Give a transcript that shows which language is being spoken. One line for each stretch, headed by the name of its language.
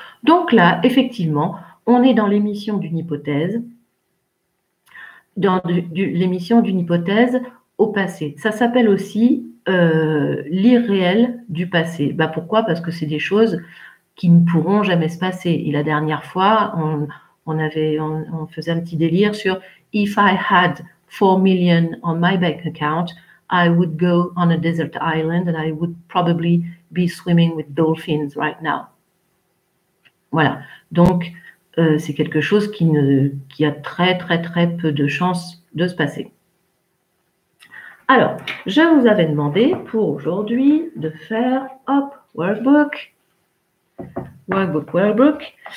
French: Donc là, effectivement, on est dans l'émission d'une hypothèse. L'émission d'une hypothèse au passé. Ça s'appelle aussi l'irréel du passé. Bah pourquoi? Parce que c'est des choses qui ne pourront jamais se passer. Et la dernière fois, on faisait un petit délire sur
English: If I had 4 million on my bank account, I would go on a desert island and I would probably be swimming with dolphins right now.
French: Voilà. Donc, c'est quelque chose qui a très, très, très peu de chances de se passer. Alors, je vous avais demandé pour aujourd'hui de faire, hop, workbook, workbook, workbook.